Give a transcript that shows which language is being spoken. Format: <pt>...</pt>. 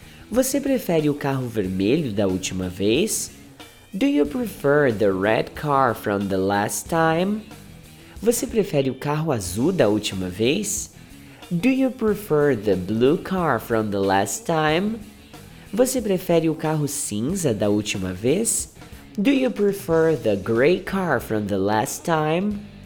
<pt>Você prefere o carro vermelho da última vez?</pt> <en>Do you prefer the red car from the last time?</en> <pt>Você prefere o carro azul da última vez?</pt> <en>Do you prefer the blue car from the last time?</en> <pt>Você prefere o carro cinza da última vez?</pt> <en>Do you prefer the gray car from the last time?</en>